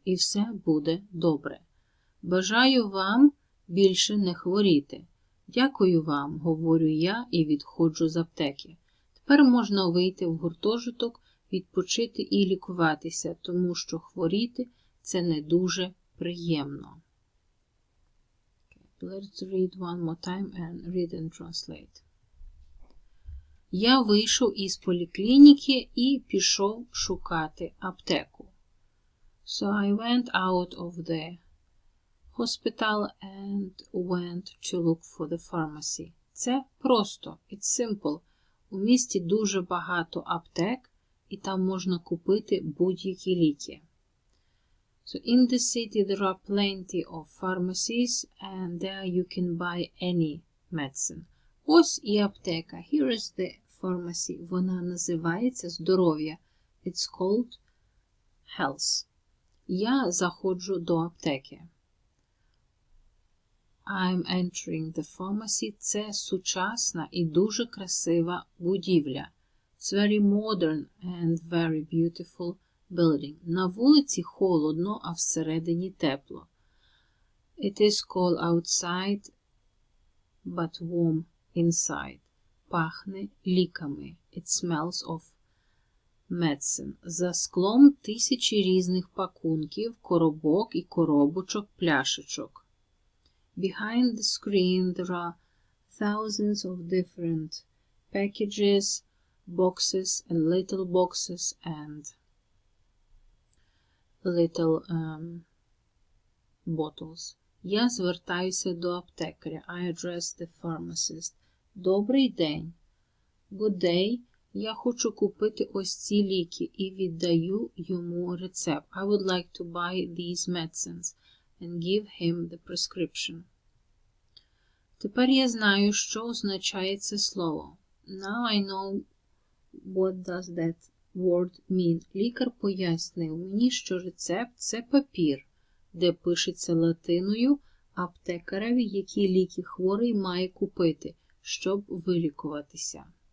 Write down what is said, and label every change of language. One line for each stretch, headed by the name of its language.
Ukrainian: І все буде добре. Бажаю вам більше не хворіти. Дякую вам, говорю я і відходжу з аптеки. Тепер можна вийти в гуртожиток, відпочити і лікуватися, тому що хворіти – це не дуже приємно.
English: Let's read one more time and read and translate.
Ukrainian: Я вийшов із поліклініки і пішов шукати аптеку.
English: So I went out of the hospital and went to look for the pharmacy.
Ukrainian: Це просто,
English: it's simple.
Ukrainian: У місті дуже багато аптек, і там можна купити будь-які ліки.
English: So in the city there are plenty of pharmacies and there you can buy any medicine.
Ukrainian: Ось і аптека.
English: Here is the pharmacy.
Ukrainian: Вона називається «Здоров'я».
English: It's called Health.
Ukrainian: Я заходжу до аптеки.
English: I'm entering the pharmacy.
Ukrainian: Це сучасна і дуже красива будівля.
English: It's very modern and very beautiful building.
Ukrainian: На вулиці холодно, а всередині тепло.
English: It is cold outside, but warm inside.
Ukrainian: Пахне ліками.
English: It smells of medicine.
Ukrainian: За склом тисячі різних пакунків, коробок і коробочок, пляшечок.
English: Behind the screen there are thousands of different packages, boxes and little boxes and little bottles.
Ukrainian: Я звертаюся до аптекаря.
English: I address the pharmacist.
Ukrainian: Добрий день.
English: Good day.
Ukrainian: Я хочу купити ось ці ліки і віддаю йому рецепт.
English: I would like to buy these medicines and give him the prescription.
Ukrainian: Тепер я знаю, що означає це слово.
English: Now I know what does that word mean.
Ukrainian: Лікар пояснив мені, що рецепт – це папір, де пишеться латиною аптекареві, які ліки хворий має купити, щоб вилікуватися.